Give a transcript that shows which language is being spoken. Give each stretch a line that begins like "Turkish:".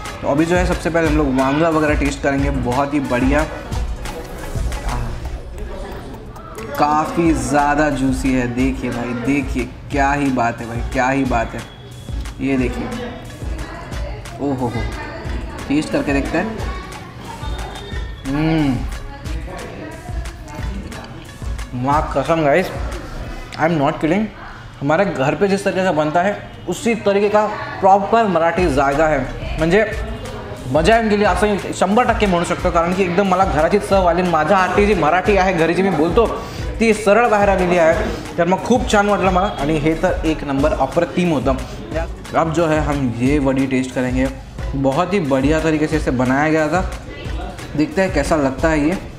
Hindi: तो अभी जो है सबसे पहले हम लोग वांगा वगैरह टेस्ट करेंगे, बहुत ही बढ़िया, काफ़ी ज़्यादा जूसी है, देखिए भाई देखिए क्या ही बात है, भाई क्या ही बात है, ये देखिए, ओहो हो, टेस्ट करके देखते हैं। माँ कसम guys,
English: I am not kidding,
Hindi: हमारे घर पे जिस तरीके का बनता है उसी तरीके का प्रॉपर मराठी जायका है,
Marathi: म्हणजे मजा के लिए असं 100% म्हणू शकतो, कारण की एकदम मला घराची चव आली, माझ्या आटी जी मराठी आहे घरी जी मी बोलतो ती सरळ बाहेर आलेली आहे, तर मग खूप छान वाटलं मला आणि हे तर एक नंबर अप्रतिम होतं।
Hindi: अब जो है हम ये वडी टेस्ट करेंगे, बहुत ही बढ़िया तरीके से इसे बनाया गया था, देखते हैं कैसा लगता है ये।